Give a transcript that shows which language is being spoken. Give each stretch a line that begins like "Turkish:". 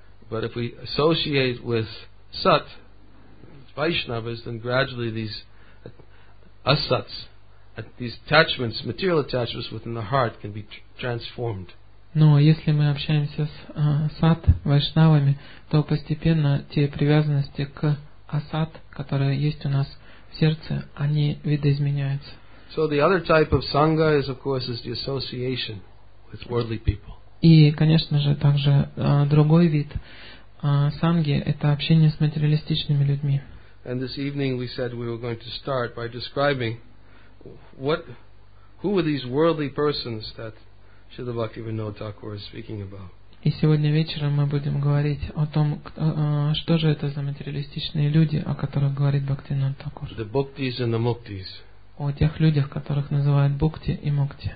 English: But if we associate with sat, Vaishnavas, then gradually these asats, these attachments, material attachments within the heart can be transformed.
Russian: Но если мы общаемся с сат, вайшнавами, то постепенно те привязанности к асат, которые есть у нас в сердце, они видоизменяются.
English: So the other type of sangha is, of course, is the association. It's worldly people.
Russian: И, конечно же, также другой вид санги – это общение с материалистичными людьми.
English: And this evening we said we were going to start by describing what, who were these worldly persons that Śrīla Bhaktivinoda Thakura is speaking about.
Russian: И сегодня вечером мы будем говорить о том, что же это за материалистичные люди, о которых говорит Бхактивинода Такур.
English: The bhuktis and the muktis.
Russian: О тех людях, которых называют бхукти и мукти.